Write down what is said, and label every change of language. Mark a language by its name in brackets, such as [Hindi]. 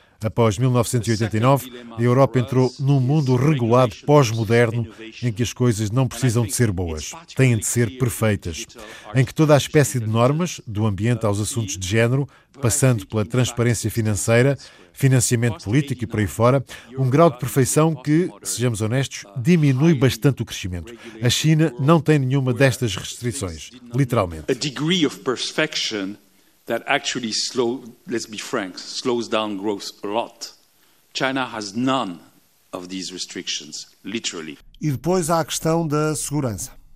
[Portuguese] Após 1989, a Europa entrou num mundo regulado pós-moderno em que as coisas não precisam de ser boas, têm de ser perfeitas, em que toda a espécie de normas, do ambiente aos assuntos de género, passando pela transparência financeira, financiamento político e por aí fora, um grau de perfeição que, sejamos honestos, diminui bastante o crescimento. A China não tem nenhuma destas restrições, literalmente. [English] A degree of perfection that actually slows down growth a lot. China has none of these restrictions, literally. [Portuguese] E depois há a questão da segurança.